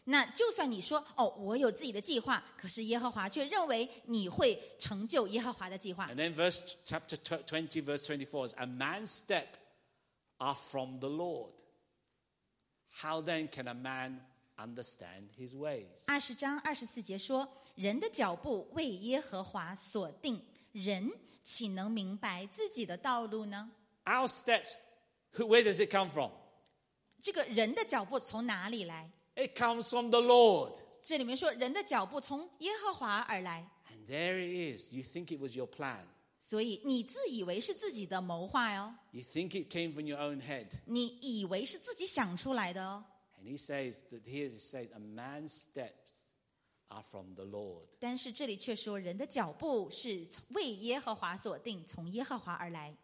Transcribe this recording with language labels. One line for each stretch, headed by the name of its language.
Chinese: 那就算你说哦，我有自己的计划，可是耶和华却认为你会成就耶和华的计划。
English: And then verse chapter 20, verse 24 is a man's step. Are from the Lord. How then can a man understand his ways?
Chinese: 二十章二十四节说，人的脚步为耶和华所定，人岂能明白自己的道路呢？
English: Our steps, where does it come from?
Chinese: 这个人的脚步从哪里来？
English: It comes from the Lord.
Chinese: 这里面说，人的脚步从耶和华而来。
English: And there it is. You think it was your plan.
Chinese: 所以你自以为是自己的谋划哦。
English: You think it came from your own head.
Chinese: 你以为是自己想出来的哦。
English: And he says that here it says a man's steps are from the Lord.
Chinese: 但是这里却说人的脚步是为耶和华所定，从耶和华而来。